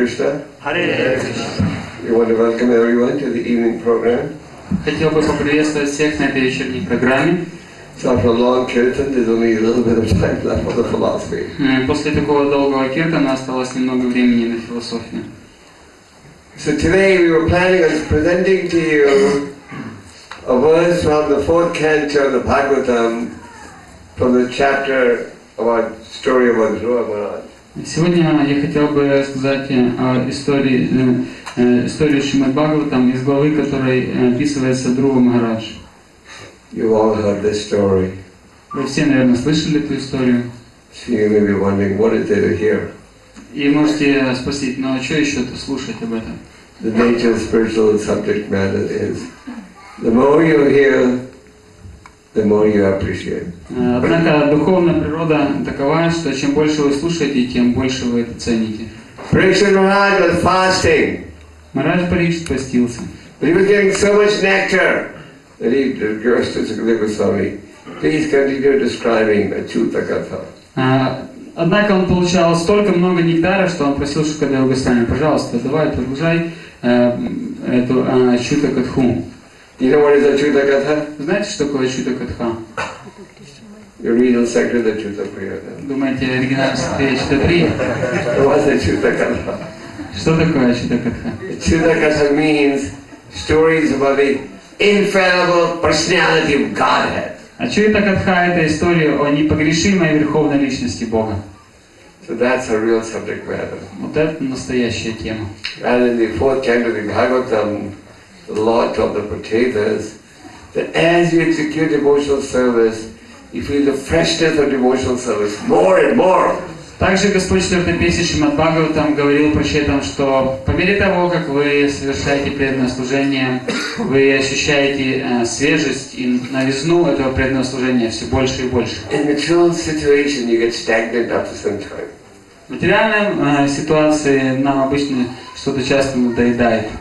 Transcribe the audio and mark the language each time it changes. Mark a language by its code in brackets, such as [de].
[en] We want to welcome everyone to the evening program. [ru] Хотел бы поприветствовать всех на этой вечерней программе. [en] After a long kirtan, there's only a little bit of time left for the philosophy. [ru] После такого долгого киртана осталось немного времени на философию. [en] So today we were planning on presenting to you a verse from the fourth canto of the Bhagavatam, from the chapter about story of Dhruva Maharaj. [ru] Сегодня я хотел бы рассказать о истории Шримад Бхагаватам из главы, которой описывается Друва Махарадж. [en] You've all heard this story. [ru] Вы все, наверное, слышали эту историю. [en] So you may be wondering, what is there to hear? [ru] И можете спросить, ну а что еще это слушать об этом? [en] The nature of spiritual subject matter is, the more you hear, the more you appreciate. [ru] Однако духовная природа такова, что чем больше вы слушаете, тем больше вы это цените. Махарадж Парикшит постился. [en] But he was getting so much nectar that he requested Сукадева Госвами, please continue describing Ачута Катха. [ru] Однако он получал столько много нектара, что он просил Сукадева Госвами, пожалуйста, давай продолжай эту Ачута Катху. [en] You know what is Ачута Катха? [ru] Знаете, что такое Ачута Катха? [en] The original secret of Ачута Прия. [ru] Думаете, оригинальный секрет Ачута Прия? [en] What is Ачута Катха? [ru] Что такое Ачута Катха? [en] Ачута Катха means stories about the infallible personality of Godhead. [ru] Ачута Катха – это история о непогрешимой верховной личности Бога. [en] So that's a real subject matter. [ru] Вот это настоящая тема. [en] And in the fourth canto of the Bhagavatam, the Lord told the potatoes that as you execute devotional service, you feel the freshness of devotional service more and more. [ru] Также Господь четвертой песни Шримад Бхагаватам говорил прочитам, что по мере того, как вы совершаете преданное служение, вы ощущаете свежесть и новизну этого преданного служения все больше и больше. [en] In material situation, you get stagnant after some time. [ru] В материальной ситуации нам обычно что-то часто надоедает.